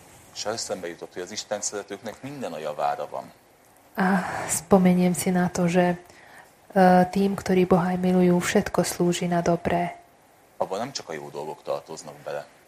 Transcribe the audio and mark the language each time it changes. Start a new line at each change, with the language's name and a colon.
Hungarian: És eszembe jutott, hogy az Isten szeretőknek minden a javára van.
Slovak: A spomeniem si na to, že tým, ktorí Boha milujú, všetko slúži na dobré.
Hungarian: Abo nem csak a jó dolgok tartoznak bele.